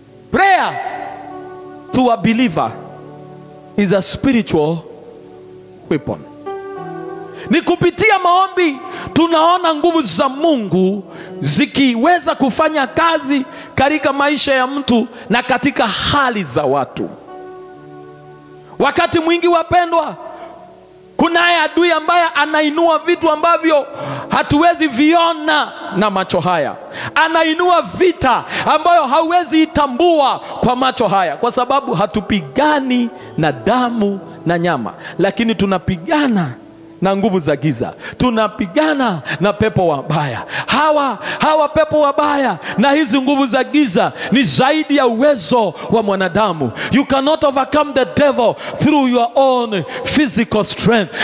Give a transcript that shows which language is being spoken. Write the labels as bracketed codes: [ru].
[en] Prayer to a believer is a spiritual weapon. [sw] Ni kupitia maombi tunaona nguvu za Mungu zikiweza kufanya kazi katika maisha ya mtu na katika hali za watu. Wakati mwingi wapendwa, kuna adui ambaye anainua vitu ambavyo hatuwezi viona na macho haya. Anainua vita ambayo hauwezi itambua kwa macho haya kwa sababu hatupigani na damu na nyama, lakini tunapigana na nguvu za giza. Tunapigana na pepo wabaya. Hawa pepo wabaya na hizi nguvu za giza ni zaidi ya uwezo wa mwanadamu. [en] You cannot overcome the devil through your own physical strength.